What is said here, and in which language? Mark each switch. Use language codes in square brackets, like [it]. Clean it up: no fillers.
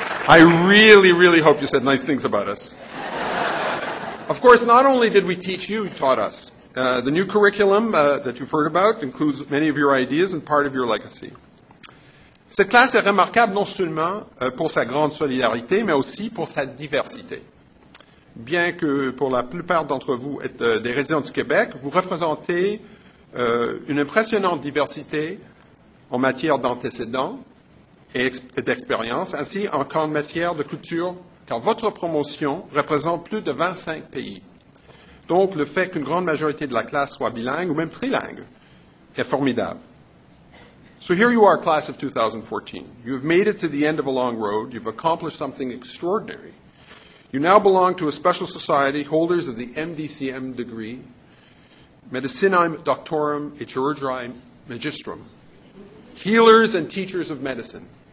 [en] I really, really hope you said nice things about us. Of course, not only did we teach you, you taught us. The new curriculum that you've heard about includes many of your ideas and part of your legacy. [fr] Cette classe est remarquable non seulement pour sa grande solidarité, mais aussi pour sa diversité. Bien que pour la plupart d'entre vous êtes des résidents du Québec, vous représentez une impressionnante diversité en matière d'antécédents, et d'expérience, ainsi qu'en matière de culture, car votre promotion représente plus de 25 pays. Donc, le fait qu'une grande majorité de la classe soit bilingue ou même trilingue est formidable. [en] So here you are, class of 2014. You have made it to the end of a long road. You've accomplished something extraordinary. You now belong to a special society, holders of the MDCM degree, Medicinae Doctorum et Chirurgiae Magistrum, healers and teachers of medicine.